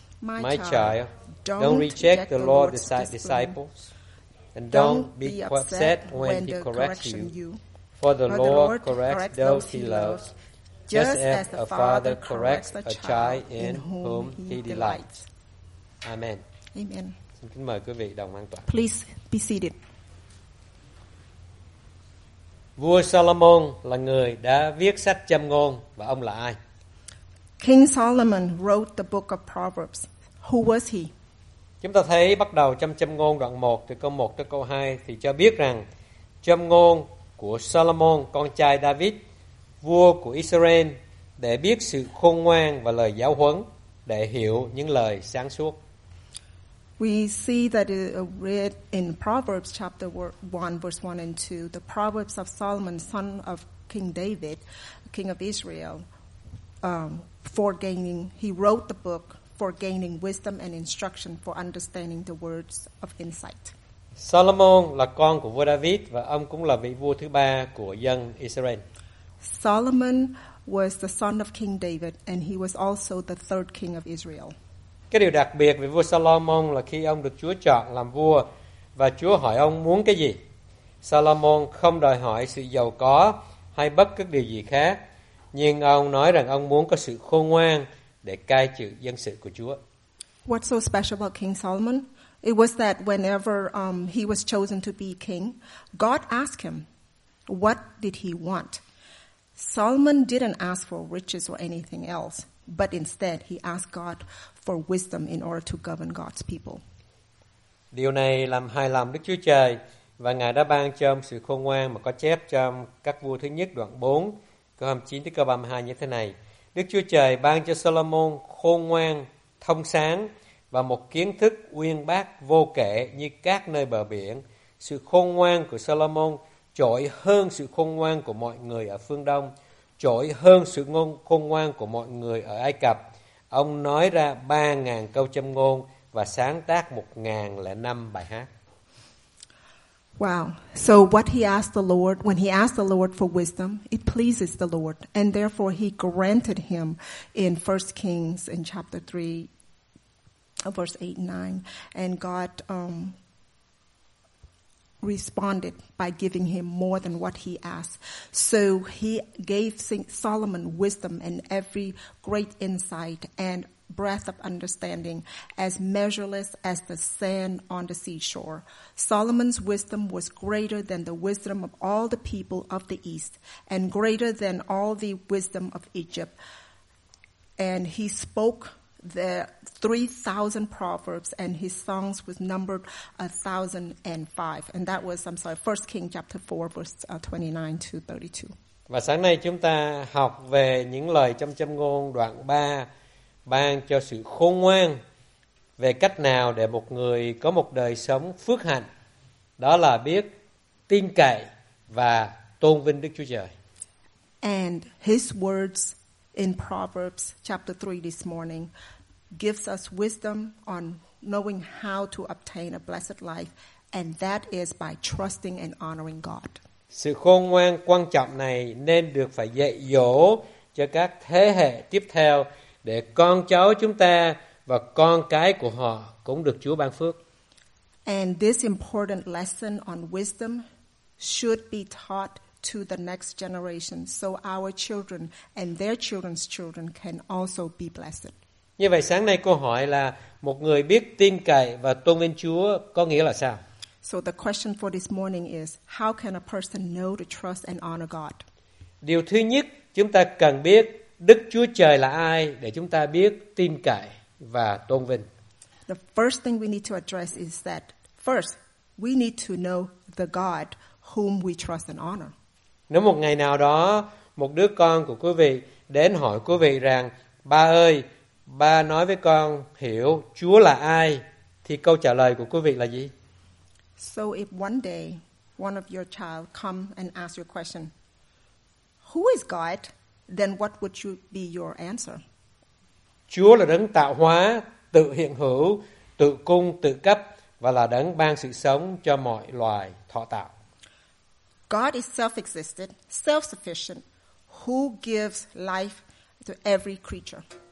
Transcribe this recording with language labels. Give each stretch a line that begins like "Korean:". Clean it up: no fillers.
English: My child, don't reject the Lord's disciples and don't be upset when He corrects you. For the Lord corrects those He loves, just as a father corrects a child in whom he delights. Amen. Amen.
Vietnamese: Xin mời quý vị đồng an toàn.
English: Please be seated.
Vietnamese: Vua Solomon là người đã viết sách Châm ngôn và ông là ai?
English: King Solomon wrote the book of Proverbs. Who was he?
Vietnamese: Chúng ta thấy bắt đầu trong Châm ngôn đoạn 1 từ câu 1 tới câu 2 thì cho biết rằng Châm ngôn của Solomon, con trai David, vua của Israel, để biết sự khôn ngoan và lời giáo huấn, để hiểu những lời sáng suốt.
English: We see that it read in Proverbs chapter 1, verse 1 and 2, the Proverbs of Solomon, son of King David, king of Israel, he wrote the book for gaining wisdom and instruction for understanding the words of insight.
Vietnamese: Solomon là con của vua David và ông cũng là vị vua thứ ba của dân Israel.
English: Solomon was the son of King David and he was also the third king of Israel.
Vietnamese: Cái điều đặc biệt về vua Solomon là khi ông được Chúa chọn làm vua và Chúa hỏi ông muốn cái gì, Solomon không đòi hỏi sự giàu có hay bất cứ điều gì khác, nhưng ông nói rằng ông muốn có sự khôn ngoan để cai trị dân sự của Chúa.
English: What's so special about King Solomon? It was that whenever he was chosen to be king, God asked him, what did he want? Solomon didn't ask for riches or anything else, but instead he asked God for wisdom in order to govern God's people.
Vietnamese: Điều này làm hài lòng Đức Chúa Trời và Ngài đã ban cho ông sự khôn ngoan mà có chép trong các vua thứ nhất đoạn 4 câu 29 tới câu 32 như thế này. Đức Chúa Trời ban cho Solomon khôn ngoan, thông sáng và một kiến thức uyên bác vô kể như các nơi bờ biển. Sự khôn ngoan của Solomon trội hơn sự khôn ngoan của mọi người ở phương Đông, trội hơn sự khôn ngoan của mọi người ở Ai Cập. Ông nói ra 3,000 câu châm ngôn và sáng tác 1,005 bài hát.
English: Wow. So what he asked the Lord, when he asked the Lord for wisdom, it pleases the Lord. And therefore he granted him in 1 Kings in chapter 3, verse 8 and 9. And God responded by giving him more than what he asked. So he gave Solomon wisdom and every great insight and breath of understanding as measureless as the sand on the seashore. Solomon's wisdom was greater than the wisdom of all the people of the East and greater than all the wisdom of Egypt. And he spoke the 3,000 proverbs, and his songs was numbered 1,005. And that was, I'm sorry, 1 Kings chapter 4, verse 29-32.
Vietnamese: Và sáng nay chúng ta học về những lời trong châm ngôn đoạn 3 ban cho sự khôn ngoan, về cách nào để một người có một đời sống phước hạnh, đó là biết tin cậy và tôn vinh Đức Chúa Trời.
English: And his words in Proverbs chapter 3 this morning gives us wisdom on knowing how to obtain a blessed life, and that is by trusting and honoring God.
Vietnamese: Sự khôn ngoan quan trọng này nên được phải dạy dỗ cho các thế hệ tiếp theo để con cháu chúng ta và con cái của họ cũng được Chúa ban phước.
English: And this important lesson on wisdom should be taught to the next generation so our children and their children's children can also be blessed.
Vietnamese: Như vậy sáng nay câu hỏi là một người biết tin cậy và tôn vinh Chúa có nghĩa là sao?
English: So the question for this morning is how can a person know to trust and honor God?
Vietnamese: Điều thứ nhất chúng ta cần biết Đức Chúa Trời là ai để chúng ta biết tin cậy và tôn vinh.
English: The first thing we need to address is that first we need to know the God whom we trust and honor.
Vietnamese: Nếu một ngày nào đó một đứa con của quý vị đến hỏi quý vị rằng ba ơi, ba nói với con hiểu Chúa là ai, thì câu trả lời của quý vị là gì?
English: So if one day one of your child come and ask you a question, who is God? Then what would you be your answer?
Vietnamese: Chúa là đấng tạo hóa, tự hiện hữu, tự cung, tự cấp và là đấng ban sự sống cho mọi loài thọ tạo.
English: God is self-existent, self-sufficient, who gives life to every creature.